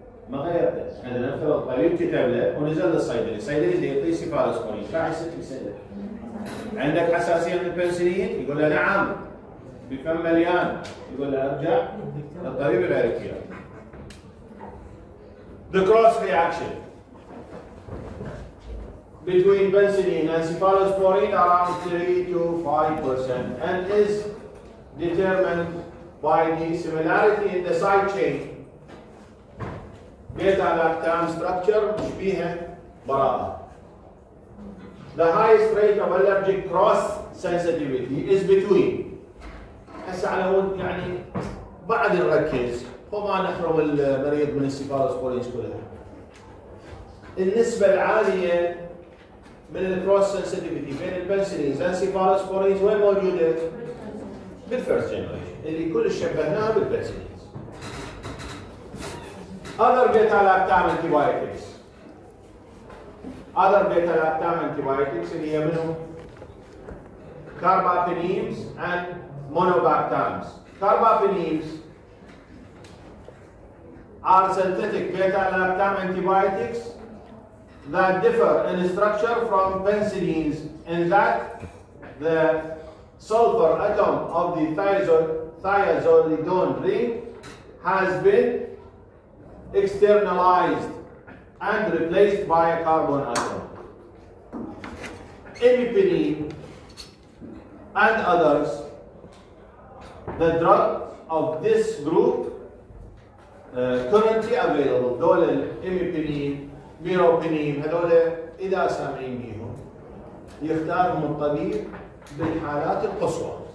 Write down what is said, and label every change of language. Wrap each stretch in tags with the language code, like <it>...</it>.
<ar>ما غيرته عندنا نفترض طبيب كتب له ونزل للصيدلي، الصيدلي اللي يعطيه سيفالوسبورين شو راح يصير؟ عندك حساسية من البنسلين؟ يقول له نعم بفم مليان يقول له ارجع للطبيب الامريكي.</ar> <en>The cross reaction between penicillin and cephalosporin around 3 to 5% and is determined by the similarity in the side chain. Beta lactam structure مشبيهة براءة. The highest rate of allergic cross sensitivity is between.</en> <ar>هسا على هون يعني بعد نركز وما نحرم المريض من السيفالوس بولينز كلها. النسبة العالية من الكروس سنسيتيفيتي بين البنسلينز والسيفالوس بولينز وين موجودة؟ بالفيرست جنريشن اللي كل شبهناها بالبنسلينز.</ar> <en>Other beta lactam antibiotics. Other beta lactam antibiotics</en> <ar>اللي هي منهم</ar> <en>carbapenems and monobactams. Carbapenems are synthetic beta-lactam antibiotics that differ in structure from penicillins in that the sulfur atom of the thiazolidone ring has been externalized and replaced by a carbon atom. Imipenem and others, the drug of this group currently available,</en> <ar>دول الإميبينين، ميروبينين، هذول إذا سامعين بيهم يختارهم الطبيب بالحالات القصوى.</ar>